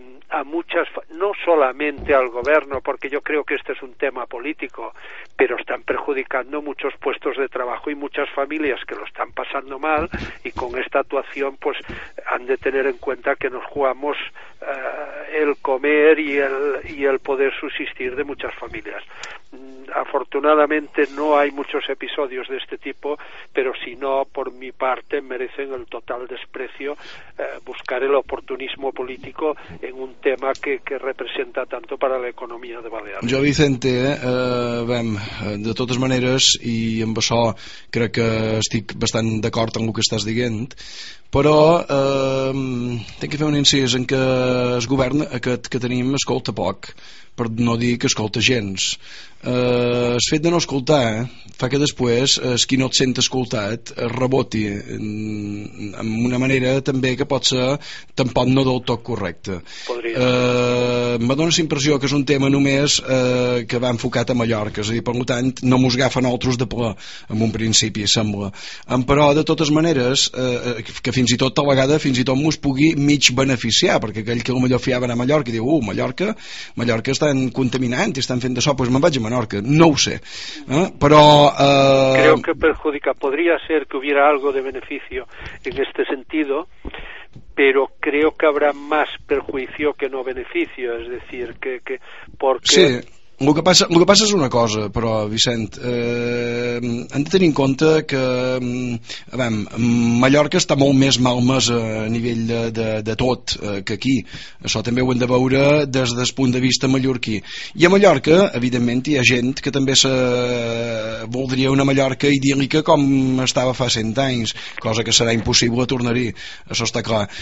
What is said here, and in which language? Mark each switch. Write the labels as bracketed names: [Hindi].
[Spanish] a muchas, no solamente al gobierno, porque yo creo que este es un tema político, pero están perjudicando muchos puestos de trabajo y muchas familias que lo están pasando mal, y con esta actuación pues han de tener en cuenta que nos jugamos el comer y el poder subsistir de muchas familias. Afortunadamente no hay muchos episodios de este tipo, pero si no, por mi parte, merecen el total desprecio buscar el oportunismo político en un tema que representa tanto para la economía de Baleares. [Catalan] Jo, Vicente, de totes maneres, i amb això crec que estic bastant d'acord amb el que estàs dient, però tinc que fer un incís en que el govern aquest que tenim escolta poc, per no dir que escolta gens. El fet de no escoltar fa que després el qui no et sent escoltat es reboti en una manera també que pot ser tampoc no del tot correcte. Me dóna la impressió que és un tema només que va enfocat a Mallorca, és a dir, per tant no mos agafa nosaltres de ple en un principi, sembla. Però de totes maneres, que fins i tot a vegada fins i tot mos pugui mig beneficiar, perquè aquell que potser fiaven a Mallorca i diu, Mallorca estan contaminant i estan fent això, doncs me'n vaig a Menorca, no ho sé, però... [Spanish] Creo que perjudica, podría ser que hubiera algo de beneficio en este sentido, pero creo que habrá más perjuicio que no beneficio, es decir, que porque... [Catalan] Sí, el que passa és una cosa, però, Vicent, hem de tenir en compte que Mallorca està molt més malmesa a nivell de tot que aquí. Això també ho hem de veure des del punt de vista mallorquí. I a Mallorca, evidentment, hi ha gent que també voldria una Mallorca idíl·lica com estava fa 100 anys, cosa que serà impossible tornar-hi, això està clar.